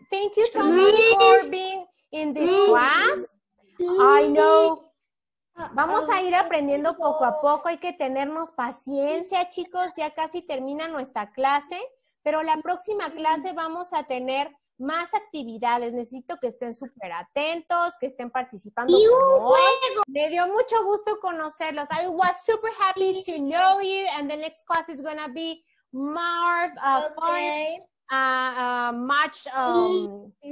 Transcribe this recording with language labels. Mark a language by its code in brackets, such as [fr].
[en] Thank you so much for being in this class. I know. [es] Vamos a ir aprendiendo poco a poco, hay que tenernos paciencia, chicos, ya casi termina nuestra clase, pero la próxima clase vamos a tener más actividades, necesito que estén súper atentos, que estén participando. ¡Y un juego! Me dio mucho gusto conocerlos. [en] I was super happy to know you, and the next class is going to be more fun.